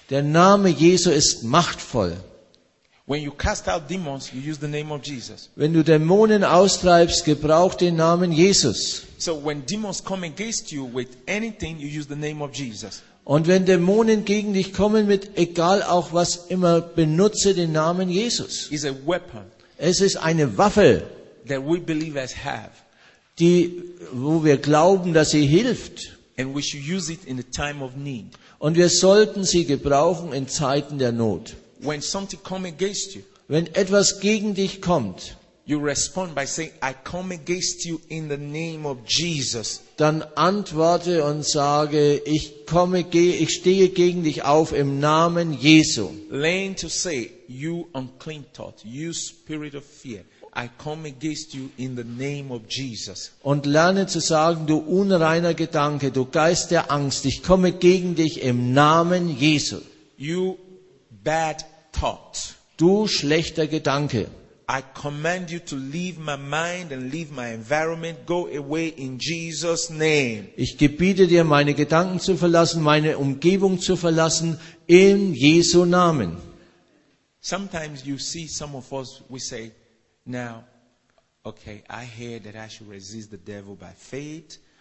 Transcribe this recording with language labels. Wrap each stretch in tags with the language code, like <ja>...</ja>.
<de>Der Name Jesu ist machtvoll.</de> <en>When you cast out demons, you use the name of Jesus.</en> <de>Wenn du Dämonen austreibst, gebrauch den Namen Jesus.</de> <en>So when demons come against you with anything, you use the name of Jesus.</en> <de>Und wenn Dämonen gegen dich kommen, mit egal auch was immer, benutze den Namen Jesus.</de> <en>It's a weapon.</en> <de>Es ist eine Waffe,</de> <en>that we believers have.</en> <de>Die, wo wir glauben, dass sie hilft.</de> <en>And we should use it in the time of need.</en> <de>Und wir sollten sie gebrauchen in Zeiten der Not.</de> <en>When something comes against you,</en> <de>wenn etwas gegen dich kommt,</de> <en>you respond by saying, I come against you in the name of Jesus.</en> <de>Dann antworte und sage, ich stehe gegen dich auf im Namen Jesu.</de> <en>Learn to say, you unclean thought, you spirit of fear, I come against you in the name of Jesus.</en> <de>Und lerne zu sagen, du unreiner Gedanke, du Geist der Angst, ich komme gegen dich im Namen Jesu.</de> <en>You bad thought.</en> <de>Du schlechter Gedanke.</de> <en>I command you to leave my mind and leave my environment. Go away in Jesus' name.</en> <de>Ich gebiete dir, meine Gedanken zu verlassen, meine Umgebung zu verlassen, in Jesu Namen.</de> <en>Sometimes you see some of us, we say, now, okay, I hear that I should resist the devil by faith.</en>